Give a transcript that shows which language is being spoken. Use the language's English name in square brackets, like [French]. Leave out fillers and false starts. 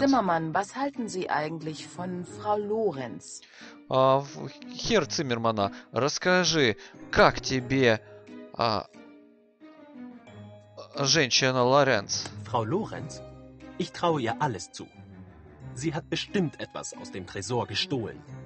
[German] Циммерман, was halten Sie eigentlich von Frau Lorenz? [Russian] Хер Циммермана, расскажи, как тебе женщина Лоренц? [German] Frau Lorenz? Ich traue ihr alles zu. Sie hat bestimmt etwas aus dem Tresor gestohlen.